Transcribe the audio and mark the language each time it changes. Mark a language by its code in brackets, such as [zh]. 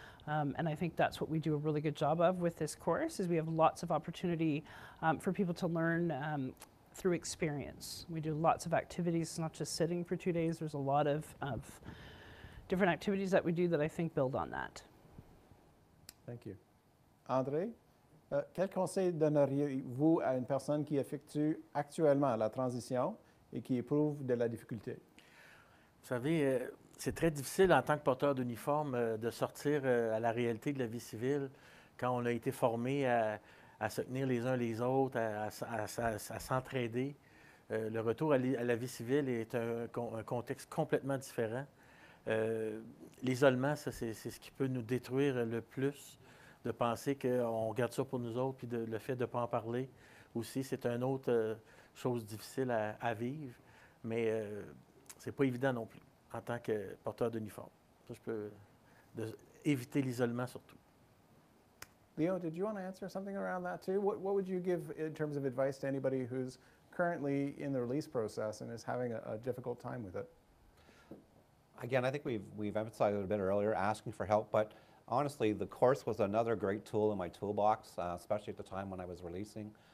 [en] And I think that's what we do a really good job of with this course, is we have lots of opportunity for people to learn through experience. We do lots of activities, not just sitting for 2 days. There's a lot of different activities that we do that I think build on that. Thank you. [fr] André, quel conseil donneriez-vous à une personne qui effectue actuellement la transition et qui éprouve de la difficulté? Vous savez, c'est très difficile en tant que porteur d'uniforme de sortir à la réalité de la vie civile quand on a été formé à se tenir les uns les autres, à s'entraider. Le retour à la vie civile est un contexte complètement différent. L'isolement, ça, c'est ce qui peut nous détruire le plus, de penser qu'on garde ça pour nous autres, puis le fait de ne pas en parler aussi, c'est une autre chose difficile à vivre, mais c'est pas évident non plus en tant que porteur d'uniforme. Ça, je peux éviter l'isolement surtout. [en] Léo, did you want to answer something around that too? What would you give in terms of advice to anybody who's currently in the release process and is having a difficult time with it? Again, I think we've emphasized it a bit earlier, asking for help, but honestly, the course was another great tool in my toolbox, especially at the time when I was releasing.